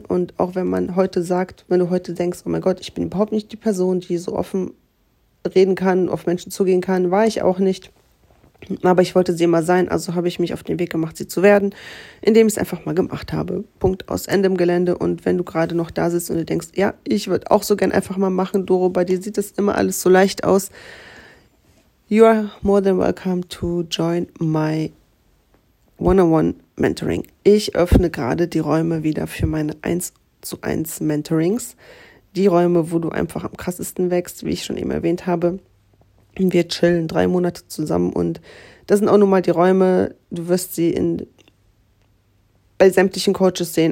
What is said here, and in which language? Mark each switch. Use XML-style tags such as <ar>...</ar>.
<de>Und auch wenn man heute sagt, wenn du heute denkst, oh mein Gott, ich bin überhaupt nicht die Person, die so offen reden kann, auf Menschen zugehen kann, war ich auch nicht. Aber ich wollte sie immer sein, also habe ich mich auf den Weg gemacht, sie zu werden, indem ich es einfach mal gemacht habe. Punkt aus Ende im Gelände. Und wenn du gerade noch da sitzt und du denkst, ja, ich würde auch so gern einfach mal machen, Doro, bei dir sieht das immer alles so leicht aus.</de> <en>You are more than welcome to join my one-on-one Mentoring.</en> <de>Ich öffne gerade die Räume wieder für meine 1:1 Mentorings. Die Räume, wo du einfach am krassesten wächst, wie ich schon eben erwähnt habe. Wir chillen 3 Monate zusammen und das sind auch nun mal die Räume. Du wirst sie bei sämtlichen Coaches sehen.</de>